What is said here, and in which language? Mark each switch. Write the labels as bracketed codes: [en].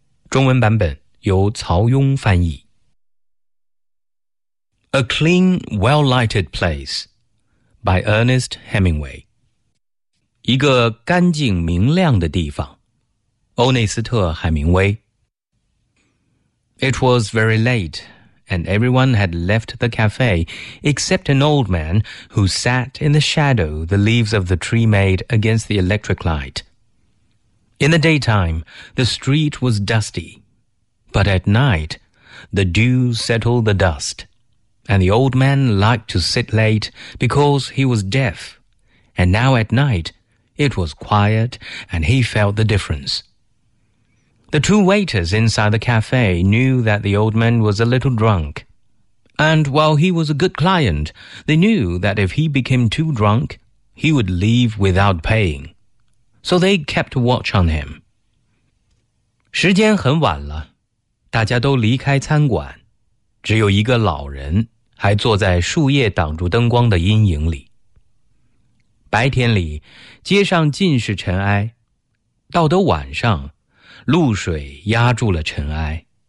[zh] 中文版本由曹庸翻译。 [en] A Clean, Well-Lighted Place by Ernest Hemingway。 [zh] 一个干净明亮的地方，欧内斯特·海明威。 [en] It was very late, and everyone had left the cafe except an old man who sat in the shadow the leaves of the tree made against the electric light. In the daytime, the street was dusty, but at night, the dew settled the dust, and the old man liked to sit late because he was deaf, and now at night, it was quiet, and he felt the difference. The two waiters inside the cafe knew that the old man was a little drunk, and while he was a good client, they knew that if he became too drunk, he would leave without paying. So they kept watch on him. [zh] 时间很晚了，大家都离开餐馆，只有一个老人还坐在树叶挡住灯光的阴影里。白天里，街上尽是尘埃，到的晚上，露水压住了尘埃。